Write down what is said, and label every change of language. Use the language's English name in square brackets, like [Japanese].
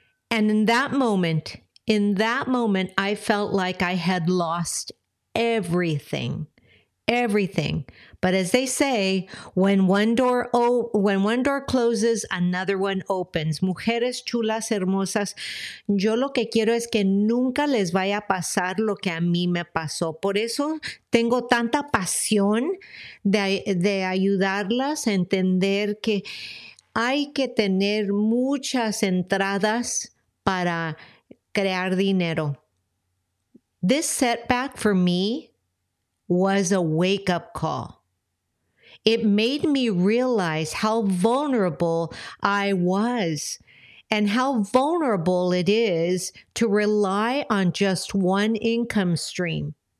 [English] And in that moment, I felt like I had lost everything. But as they say, when one door closes, another one opens. [Spanish] Mujeres chulas, hermosas, yo lo que quiero es que nunca les vaya a pasar lo que a mí me pasó. Por eso tengo tanta pasión de ayudarlas a entender que hay que tener muchas entradas para crear dinero. [English] This setback for me was a wake-up call. It made me realize how vulnerable I was and how vulnerable it is to rely on just one income stream.